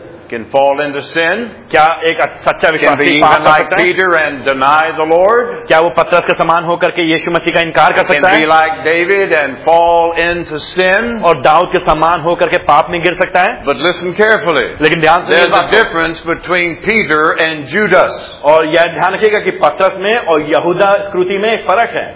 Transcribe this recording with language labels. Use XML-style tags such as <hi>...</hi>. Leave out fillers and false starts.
<en>Can fall into sin?</en> <hi>क्या एक सच्चा विश्वासी पाप कर सकता है?</hi> <en>Can be like Peter and deny the Lord?</en> <hi>क्या वो पतरस के समान होकर के यीशु मसीह का इनकार कर सकता है?</hi> <en>Can be like David and fall into sin?</en> <hi>और दाऊद के समान होकर के पाप में गिर सकता है?</hi> <en>But listen carefully.</en> <hi>लेकिन ध्यान से</hi> <en>There's a difference between Peter and Judas.</en> <hi>और यह ध्यान रखिएगा कि पतरस में और यहूदा स्कृति में फर्क है.</hi>